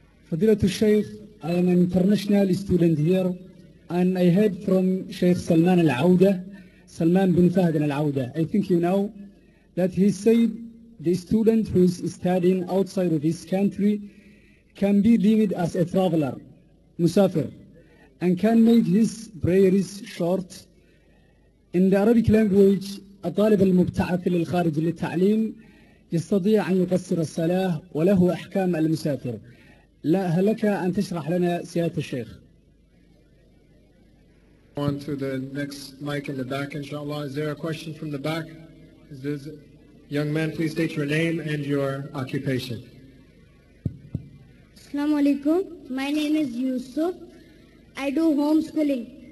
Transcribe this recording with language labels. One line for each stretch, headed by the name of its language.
English: Fadlat Shaykh, I am an international student here, and I heard from Shaykh Salman Al-Awda, Salman bin Fahd Al-Awda. I think you know that he said the student who is studying outside of his country can be deemed as a traveler, musafir, and can make his prayers short. In the Arabic language, a
Arabic: طالب المبتعث للخارج للتعليم يستطيع أن يقصر الصلاة وله أحكام المسافر. لا هل لك أن تشرح لنا سيادة الشيخ؟
English: On to the next mic in the back, inshallah. Is there a question from the back? Is this young man, please state your name and your occupation. Assalamu alaikum. My name is Yusuf. I do homeschooling.